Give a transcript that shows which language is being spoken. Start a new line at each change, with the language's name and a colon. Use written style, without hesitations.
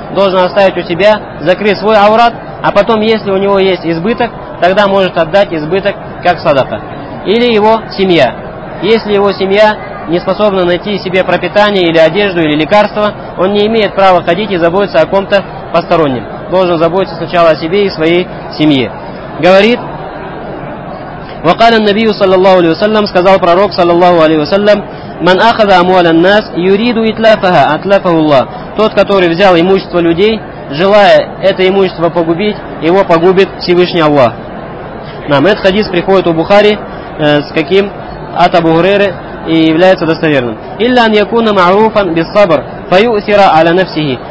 Russian: Должен оставить у себя, закрыть свой аурат, а потом, если у него есть избыток, тогда может отдать избыток как садака. Или его семья. Если его семья не способна найти себе пропитание или одежду, или лекарство, он не имеет права ходить и заботиться о ком-то постороннем. Должен заботиться сначала о себе и своей семье. Говорит:
Arabic: وَقَالَ النَّبِيُّ صَلَّى اللَّهُ عَلَيْهِ وَسَلَّمَ,
Russian: сказал пророк саллаллаху алейхи ва саллям:
Arabic: مَنْ أَخَذَ أَمْوَالَ النَّاسِ يُرِيدُ إِتْلَافَهَا أَتْلَفَهُ اللَّهُ.
Russian: Тот, который взял имущество людей, желая это имущество погубить, его погубит Всевышний Аллах. Нам этот хадис приходит у Бухари с каким? От Абу Хурейры, и является достоверным.
Arabic: إِلَّا أَنْ يَكُونَ مَعْرُوفًا بِالصَّبْرِ فَيُؤْثِرَ عَلَى نَفْسِهِ.